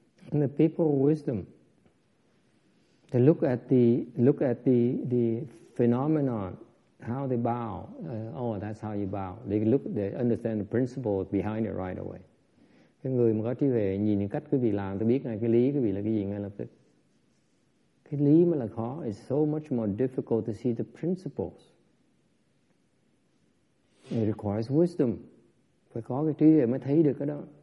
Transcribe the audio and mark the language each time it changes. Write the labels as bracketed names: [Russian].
[English] And the people of wisdom, they look at the phenomenon, how they bow. That's how you bow. They understand the principle behind it right away. [Vietnamese] Cái người mà có trí huệ nhìn cách quý vị làm, tôi biết ngay cái lý quý vị là cái gì ngay lập tức. Cái lý mới là khó. [English] It's so much more difficult to see the principles. It requires wisdom. [Vietnamese] Phải có cái trí huệ mới thấy được cái đó.